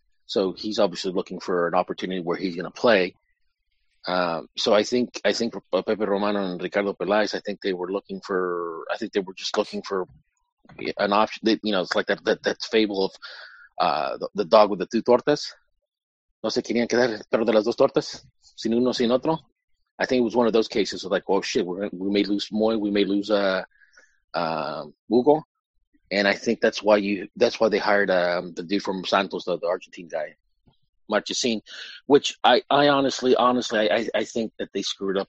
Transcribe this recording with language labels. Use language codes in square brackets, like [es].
[en] So he's obviously looking for an opportunity where he's going to play. So I think Pepe Romano and Ricardo Peláez, I think they were just looking for an option. They, you know, it's like that fable of the dog with the two tortas. [es] No se querían quedar, pero de las dos tortas, sin uno, sin otro. [en] I think it was one of those cases of like, oh, shit, we may lose Moy, we may lose Hugo. And I think that's why they hired the dude from Santos, the Argentine guy. Marchesin, which I honestly think that they screwed up.